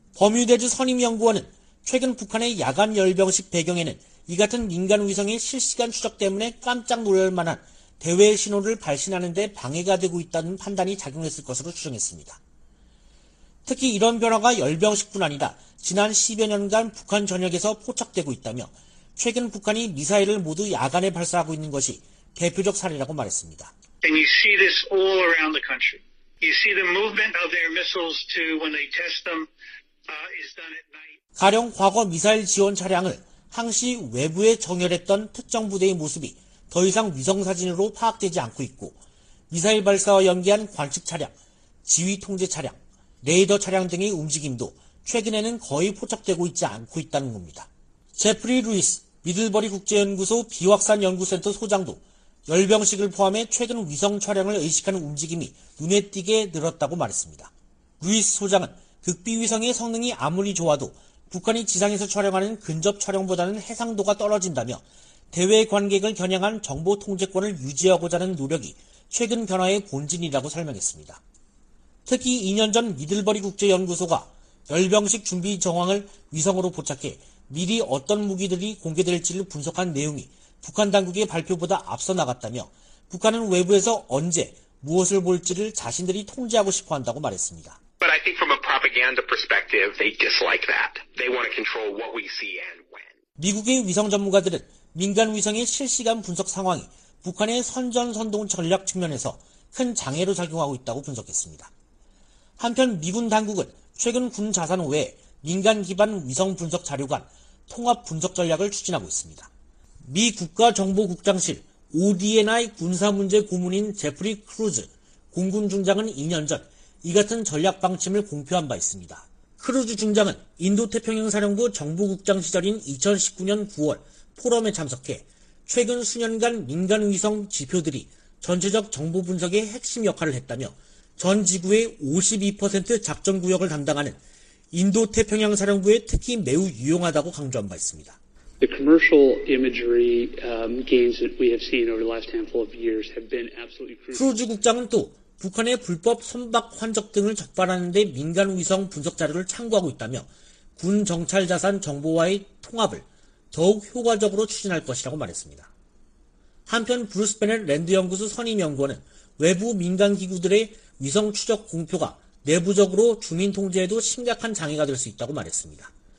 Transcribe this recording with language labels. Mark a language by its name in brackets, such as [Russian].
[Korean] 버뮤대주 선임연구원은 최근 북한의 야간 열병식 배경에는 이 같은 민간 위성의 실시간 추적 때문에 깜짝 놀랄 만한 대외 신호를 발신하는 데 방해가 되고 있다는 판단이 작용했을 것으로 추정했습니다. 특히 이런 변화가 열병식뿐 아니라 지난 10여 년간 북한 전역에서 포착되고 있다며 최근 북한이 미사일을 모두 야간에 발사하고 있는 것이 대표적 사례라고 말했습니다. [English] And you see this all around the country. You see the movement of their missiles to when they test them is done at night. [Korean] 가령 과거 미사일 지원 차량을 항시 외부에 정렬했던 특정 부대의 모습이 더 이상 위성 사진으로 파악되지 않고 있고 미사일 발사와 연계한 관측 차량, 지휘 통제 차량, 레이더 차량 등의 움직임도 최근에는 거의 포착되고 있지 않고 있다는 겁니다. 제프리 루이스, 미들버리 국제연구소 비확산 연구센터 소장도 열병식을 포함해 최근 위성 촬영을 의식하는 움직임이 눈에 띄게 늘었다고 말했습니다. 루이스 소장은 극비 위성의 성능이 아무리 좋아도 북한이 지상에서 촬영하는 근접 촬영보다는 해상도가 떨어진다며 대외 관객을 겨냥한 정보 통제권을 유지하고자 하는 노력이 최근 변화의 본질이라고 설명했습니다. 특히 2년 전 미들버리 국제연구소가 열병식 준비 정황을 위성으로 포착해 미리 어떤 무기들이 공개될지를 분석한 내용이 북한 당국의 발표보다 앞서 나갔다며 북한은 외부에서 언제 무엇을 볼지를 자신들이 통제하고 싶어 한다고 말했습니다. [English] But I think from a propaganda perspective, they dislike that. They want to control what we see and when. [Korean] 미국의 위성 전문가들은 민간 위성의 실시간 분석 상황이 북한의 선전선동 전략 측면에서 큰 장애로 작용하고 있다고 분석했습니다. 한편 미군 당국은 최근 군 자산 외에 민간 기반 위성 분석 자료 간 통합 분석 전략을 추진하고 있습니다. 미 국가정보국장실 ODNI 군사문제 고문인 제프리 크루즈 공군 중장은 2년 전 이 같은 전략 방침을 공표한 바 있습니다. 크루즈 중장은 인도태평양사령부 정보국장 시절인 2019년 9월 포럼에 참석해 최근 수년간 민간 위성 지표들이 전체적 정보 분석의 핵심 역할을 했다며 전 지구의 52% 작전 구역을 담당하는 인도태평양사령부에 특히 매우 유용하다고 강조한 바 있습니다. [English] The commercial imagery gains that we have seen over the last handful of years have been absolutely crucial. [Korean] 크루즈 국장은 또 북한의 불법 선박 환적 등을 적발하는 데 민간 위성 분석 자료를 참고하고 있다며 군 정찰 자산 정보와의 통합을 더욱 효과적으로 추진할 것이라고 말했습니다. 한편 브루스 베넷 랜드 연구소 선임 연구원은 외부 민간 기구들의 위성 추적 공표가 내부적으로 주민 통제에도 심각한 장애가 될 수 있다고 말했습니다.